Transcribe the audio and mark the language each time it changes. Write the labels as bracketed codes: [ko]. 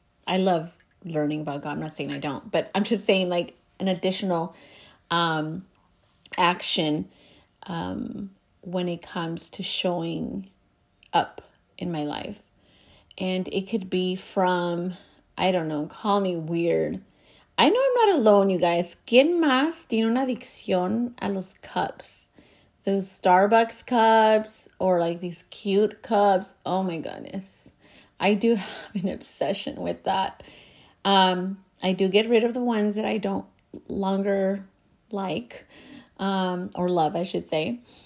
[en] I love learning about God. I'm not saying I don't, but I'm just saying like an additional action when it comes to showing up in my life. And it could be from, I don't know, call me weird. I know I'm not alone, you guys. [es] ¿Quién más tiene una adicción a los cups? [en] Those Starbucks cups or like these cute cups. Oh my goodness. I do have an obsession with that. I do get rid of the ones that I don't longer like, or love, I should say.